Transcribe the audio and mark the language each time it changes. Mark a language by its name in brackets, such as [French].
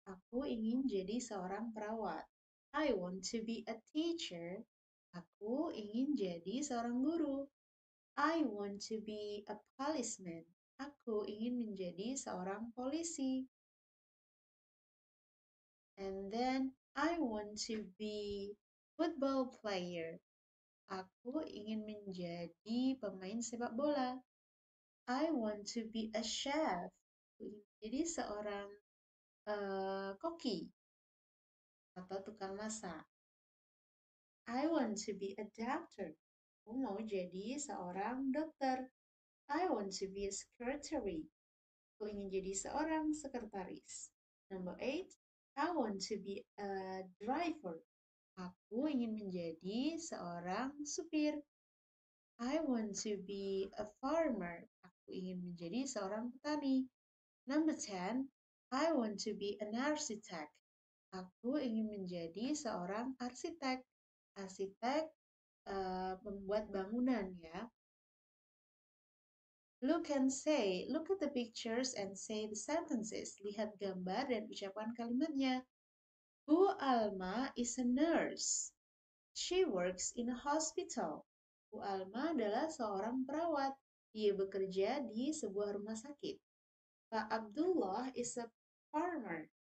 [Indonesian] Aku ingin jadi seorang perawat. [English] I want to be a teacher. [Indonesian] Aku ingin jadi seorang guru. [English] I want to be a policeman. [Indonesian] Aku ingin menjadi seorang polisi. [English] And then I want to be football player. [Indonesian] Aku ingin menjadi pemain sepak bola. [English] I want to be a chef. [Indonesian] Aku ingin jadi seorang koki atau tukang masak. [English] I want to be a doctor. [Indonesian] Aku mau jadi seorang dokter. [English] I want to be a secretary. [Indonesian] Aku ingin jadi seorang sekretaris. [English] Number 8, I want to be a driver. [Indonesian] Aku ingin menjadi seorang supir. [English] I want to be a farmer. [Indonesian] Aku ingin menjadi seorang petani. [English] Number 10, I want to be an architect. [Indonesian] Aku ingin menjadi seorang arsitek. Arsitek membuat bangunan ya. [English] Look and say, look at the pictures and say the sentences. [Indonesian] Lihat gambar dan ucapkan kalimatnya. Bu Alma [English] is a nurse. She works in a hospital. [Indonesian] Bu Alma adalah seorang perawat. Dia bekerja di sebuah rumah sakit. Pak Abdullah [English] is a farmer.